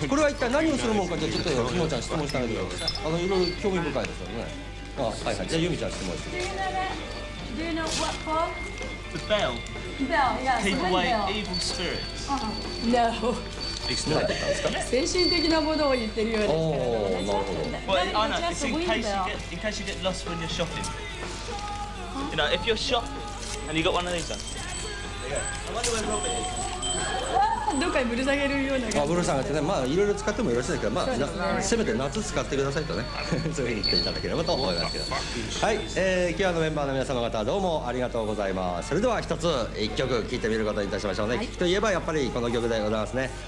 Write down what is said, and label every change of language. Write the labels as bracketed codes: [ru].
[ja] これは一体何をするものか、じゃあちょっとユミちゃん質問してあげてください。いろいろ興味深いですよね。あ、はいはい、じゃあユミちゃん質問してください。 [en] Do you know what for? The bell. Bell, yes. Keep away evil spirits. No. It's not. [ja] 精神的なものを言ってるようですけど。 Oh, なるほど。 [en] But I know, it's in case you get lost when you're shopping. You know, if you're shopping and you got one of these on. [ja] どこかにぶる下げるような感じ、まあ、ぶる下げてね、まあいろいろ使ってもよろしいですけど、まあ、ね、せめて夏使ってくださいとね、そういうふうに言っていただければと思いますけど、はい、キュアのメンバーの皆様方どうもありがとうございます。それでは一つ一曲聴いてみることにいたしましょうね。聴、はい、きといえばやっぱりこの曲でございますね。